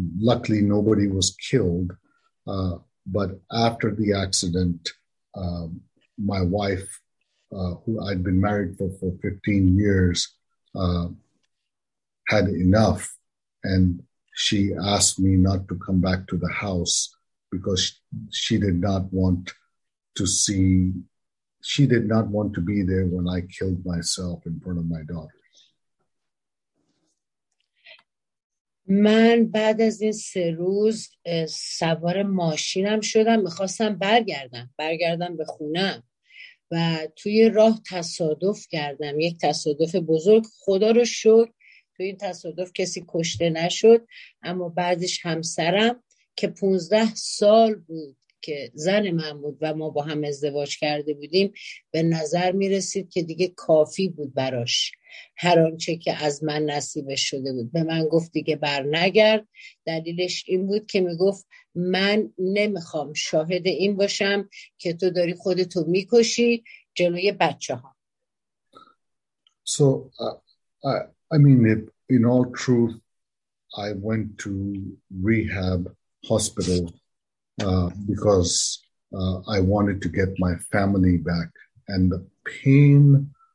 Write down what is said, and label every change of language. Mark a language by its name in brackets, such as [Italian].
[English] Luckily, nobody was killed, but after the accident, my wife, who I'd been married for 15 years, had enough, and she asked me not to come back to the house because she did not want to see. She did not want to be there when I killed myself in front of my daughters. [Persian] من بعد از این 3 روز سوار ماشینم شدم، میخواستم برگردم به خونم و توی راه تصادف کردم، یک تصادف بزرگ. خدا رو شکر توی این تصادف کسی کشته نشد، اما بعدش همسرم که 15 سال بود که زن من بود و ما با هم ازدواج کرده بودیم، به نظر می رسید که دیگه کافی بود براش هر آنچه که از من نصیب شده بود. به من گفت دیگه بر نگرد. دلیلش این بود که می گفت من نمی خوام شاهد این باشم که تو داری خودتو می کشی جلوی بچه ها. [English] So I mean, in all truth, I went to rehab hospital because I wanted to get my family back, and the pain